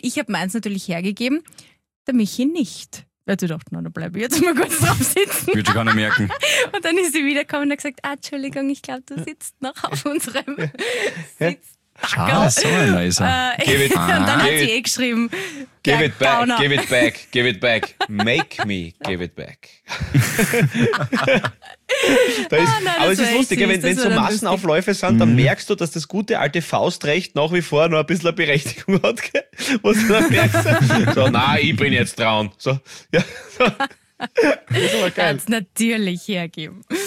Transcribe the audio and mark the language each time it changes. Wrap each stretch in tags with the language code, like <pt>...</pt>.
<de>Ich habe meins natürlich hergegeben, der Michi nicht. Ja, du dachtest, nein, da bleibe ich jetzt mal kurz drauf sitzen. Würde ich gar nicht merken. Und dann ist sie wiedergekommen und hat gesagt, Entschuldigung, ich glaube, du sitzt noch auf unserem Sitzdackel. Ah, so ein Leiser. Und dann hat sie eh geschrieben,</de> <en>give it back, give it back, give it back. Make me give it back.</en> <de>aber es ist lustig, wenn so Massenaufläufe sind, dann merkst du, dass das gute alte Faustrecht nach wie vor noch ein bisschen eine Berechtigung hat. Was du dann merkst. So, ich bin jetzt dran. So, ja. Das ist aber geil. Hat's natürlich hergeben.</de>